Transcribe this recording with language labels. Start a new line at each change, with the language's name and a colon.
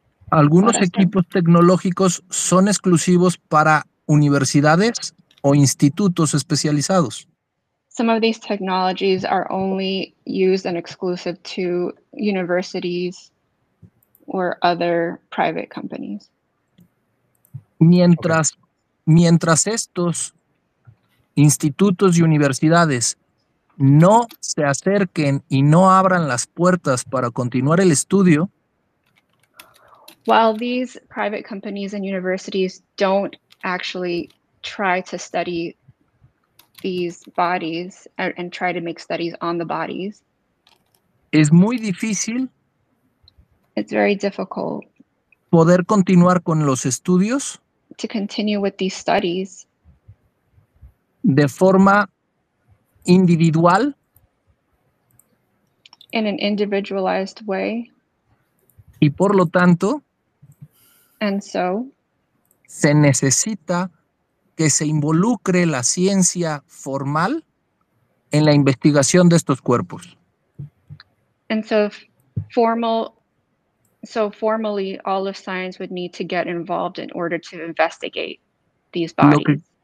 Spanish: Algunos equipos tecnológicos son exclusivos para universidades o institutos especializados.
English: Some of these technologies are only used and exclusive to universities or other private companies.
Spanish: Mientras estos institutos y universidades no se acerquen y no abran las puertas para continuar el estudio.
English: While these private companies and universities don't actually try to study these bodies and try to make studies on the bodies.
Spanish: es muy difícil.
English: It's very difficult.
Spanish: Poder continuar con los estudios.
English: To continue with these studies.
Spanish: De forma individual.
English: In an individualized way.
Spanish: Y por lo tanto.
English: And so.
Spanish: Se necesita que se involucre la ciencia formal en la investigación de estos cuerpos.
English: And so formally all of science would need to get involved in order to investigate these bodies.